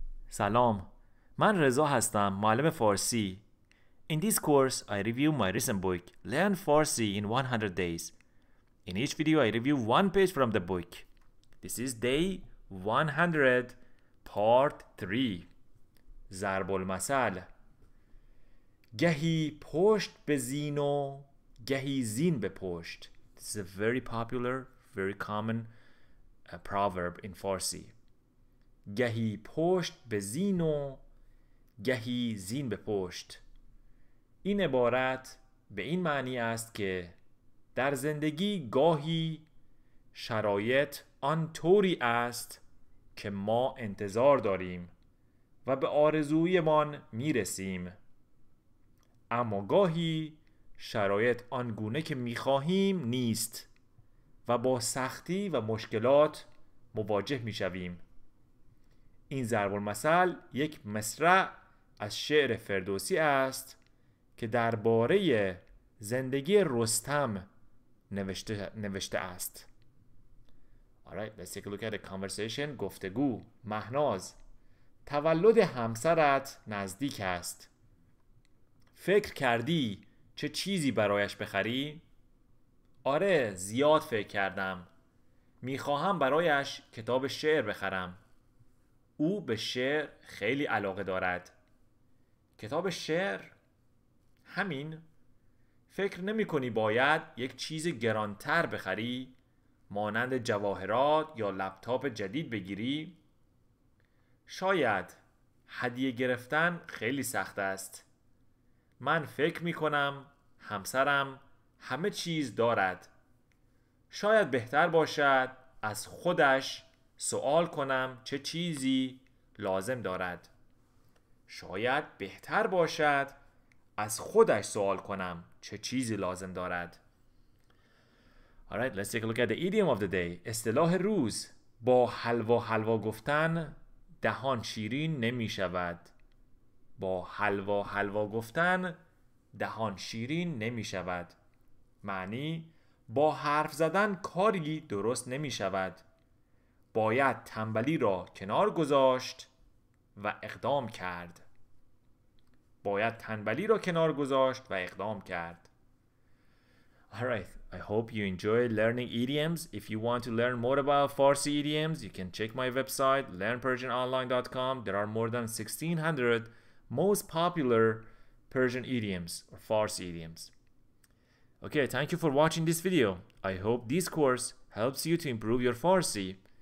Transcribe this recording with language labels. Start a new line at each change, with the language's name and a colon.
Persian: سلام، من رضا هستم، معلم فارسی.
English: In this course, I review my recent book, Learn Farsi in 100 Days. In each video, I review one page from the book. This is day 100, part 3.
Persian: ضرب المثل. گهی پشت به زین و گهی زین به پشت.
English: This is a very popular, very common proverb in Farsi.
Persian: گهی پشت به زین و گهی زین به پشت. این عبارت به این معنی است که در زندگی گاهی شرایط آنطوری است که ما انتظار داریم و به آرزویمان میرسیم، اما گاهی شرایط آنگونه که میخواهیم نیست و با سختی و مشکلات مواجه میشویم. این ضرب المثل یک مصرع از شعر فردوسی است که درباره زندگی رستم نوشته است.
English: Alright, let's take a look at the conversation.
Persian: گفتگو. مهناز. تولد همسرت نزدیک است. فکر کردی چه چیزی برایش بخری؟ آره، زیاد فکر کردم. میخواهم برایش کتاب شعر بخرم. او به شعر خیلی علاقه دارد. کتاب شعر؟ همین. فکر نمی کنی باید یک چیز گرانتر بخری؟ مانند جواهرات یا لپتاپ جدید بگیری؟ شاید. هدیه گرفتن خیلی سخت است. من فکر می کنم همسرم همه چیز دارد. شاید بهتر باشد از خودش سوال کنم چه چیزی لازم دارد. شاید بهتر باشد از خودش سوال کنم چه چیزی لازم دارد.
English: Alright, let's take a look at the idiom of the day.
Persian: اصطلاح روز. با حلوا حلوا گفتن دهان شیرین نمی شود. با حلوا حلوا گفتن دهان شیرین نمی شود. معنی: با حرف زدن کاری درست نمی شود. باید تنبلی را کنار گذاشت و اقدام کرد. باید تنبلی را کنار گذاشت و اقدام کرد.
English: Alright, I hope you enjoy learning idioms. If you want to learn more about Farsi idioms, you can check my website learnpersiononline.com. There are more than 1600 most popular Persian idioms or Farsi idioms. Okay, thank you for watching this video. I hope this course helps you to improve your Farsi.